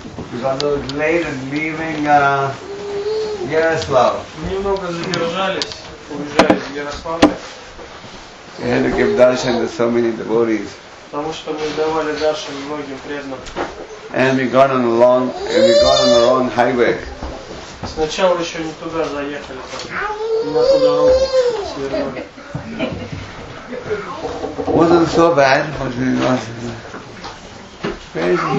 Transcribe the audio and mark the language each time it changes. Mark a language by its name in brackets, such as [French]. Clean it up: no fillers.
[English] Because I'm a little late and leaving Yaroslav. [Russian] Немного задержались, уезжая из Ярославля. [English] And to give darshan to so many devotees. [Russian] Потому что мы давали даршан многим преданным. [English] And we got on the wrong highway. [Russian] Сначала еще не туда заехали, на ту дорогу свернули. [English] Wasn't so bad, but it was crazy.